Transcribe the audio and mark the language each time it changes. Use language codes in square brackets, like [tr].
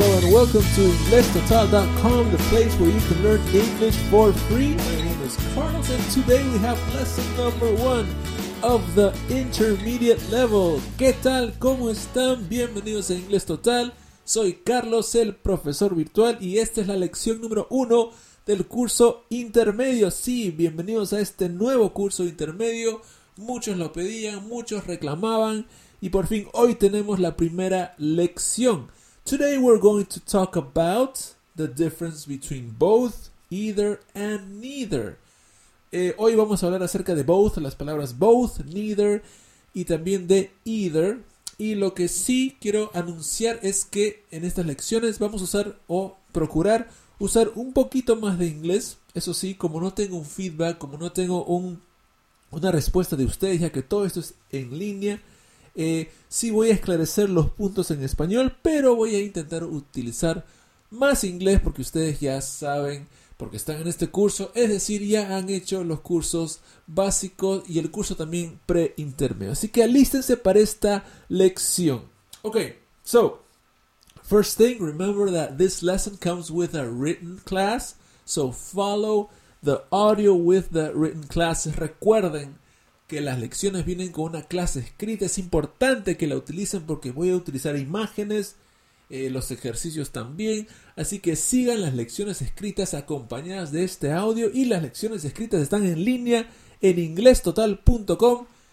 [en] welcome to inglestotal.com, the place where you can learn English for free. My name is Carlos, and today we have lesson number one of the intermediate level. [es] ¿Qué tal? ¿Cómo están? Bienvenidos a Inglés Total. Soy Carlos, el profesor virtual, y esta es la lección número uno del curso intermedio. Sí, bienvenidos a este nuevo curso intermedio. Muchos lo pedían, muchos reclamaban, y por fin hoy tenemos la primera lección. [en] Today we're going to talk about the difference between both, either, and neither. [es] Hoy vamos a hablar acerca de both, las palabras both, neither, y también de either. Y lo que sí quiero anunciar es que en estas lecciones vamos a usar o procurar usar un poquito más de inglés. Eso sí, como no tengo un feedback, como no tengo una respuesta de ustedes, ya que todo esto es en línea, sí voy a esclarecer los puntos en español, pero voy a intentar utilizar más inglés porque ustedes ya saben, porque están en este curso, es decir, ya han hecho los cursos básicos y el curso también pre-intermedio. Así que alístense para esta lección. [en] Ok, so, first thing, remember that this lesson comes with a written class, so follow the audio with the written class. [es] Recuerden que las lecciones vienen con una clase escrita. Es importante que la utilicen porque voy a utilizar imágenes, los ejercicios también. Así que sigan las lecciones escritas acompañadas de este audio. Y las lecciones escritas están en línea en inglestotal.com.